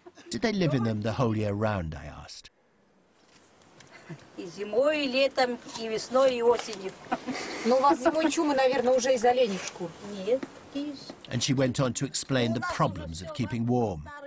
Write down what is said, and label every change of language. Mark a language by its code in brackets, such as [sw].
[en] Did they live in them the whole year round, I asked. [ru] И зимой, и летом, и весной, и осенью. Но у вас зимой чумы, наверное, уже из-за оленей шкур. Нет. [en] And she went on to explain the problems of keeping warm.